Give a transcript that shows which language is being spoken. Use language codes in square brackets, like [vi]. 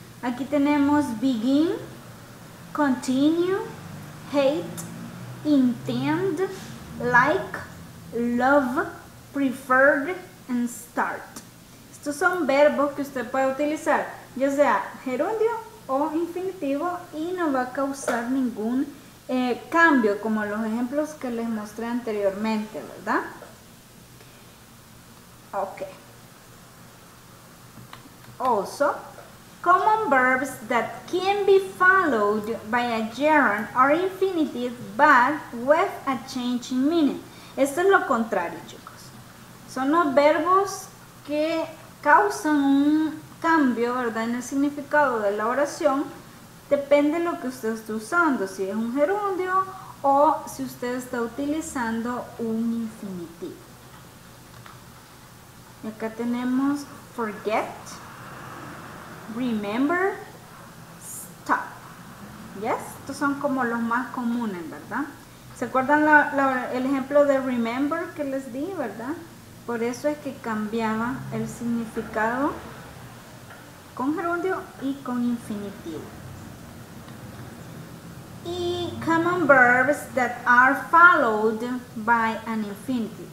[es] Aquí tenemos [en] begin, continue, hate, intend, like, love, preferred, and start. [es] Estos son verbos que usted puede utilizar, ya sea gerundio o infinitivo, y no va a causar ningún cambio, como los ejemplos que les mostré anteriormente, ¿verdad? Ok. [en] Also, common verbs that can be followed by a gerund are infinitive but with a change in meaning. [es] Esto es lo contrario, chicos. Son los verbos que causan un cambio, ¿verdad?, en el significado de la oración. Depende de lo que usted esté usando, si es un gerundio o si usted está utilizando un infinitivo. Y acá tenemos forget, remember, stop. ¿Yes? Estos son como los más comunes, ¿verdad? ¿Se acuerdan el ejemplo de remember que les di, verdad? Por eso es que cambiaba el significado con gerundio y con infinitivo. [en] Y common verbs that are followed by an infinitive.